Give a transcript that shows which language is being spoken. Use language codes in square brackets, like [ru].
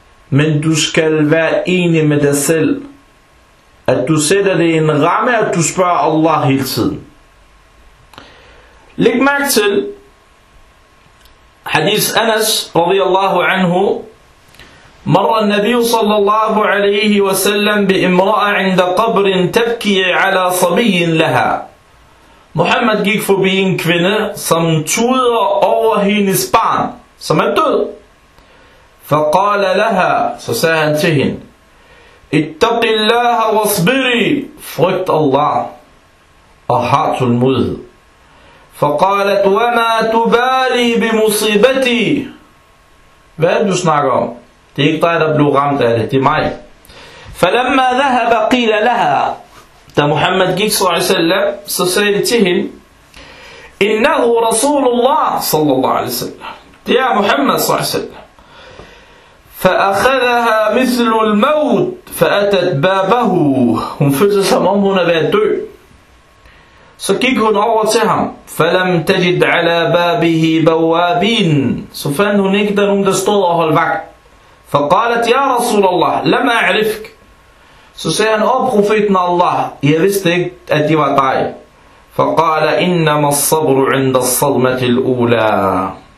[da] Men du skal være enig med dig selv, at du sætter det i en ramme, at du spørger Allah hele tiden. Læg mærke til hadith Anas radiyallahu anhu. [ar] مر النبي صلى الله عليه وسلم بامرأة عند قبر تبكي على صبي لها. [da] محمد gik forbi en kvinde, som tuder over hendes barn, som er død. [ar] فقال لها, [da] så sagde han til hende, [ar] اتق الله واصبري, [da] frygt Allah, og har tålmodighed. [ar] فقالت وما تبالي بمصيبتي, [da] hvad du snakker om? Det er ikke dig, der blev ramt af det. Det er mig. [ar] فَلَمَّا ذَهَبَ قِيلَ لَهَا, [da] da Muhammad gik s.a.v., så sagde det til hende, [ar] إِنَّهُ رَسُولُ اللَّهِ صَلَّى اللَّهِ عَلَيْهِ وَسَلَّمَ. [da] Det er Muhammad s.a.v. [ar] فَأَخَذَهَا مِثْلُ الْمَوْتِ فَأَتَتْ بَابَهُ. [da] Hun følte sig, som om hun er ved at dø. Så gik hun over til ham. [ar] فَلَمْ تَجِدْ عَلَى بَابِهِ بَوَّابِينَ. [da] Så fandt hun ikke, der nogen, der stod og holdt vagt. [ar] فقالت يا رسول الله لم اعرفك. [da] Så sagde han, åh profeten Allah, jeg vidste ikke, at det var dig. [ar] فقال انما الصبر عند الصدمة الاولى.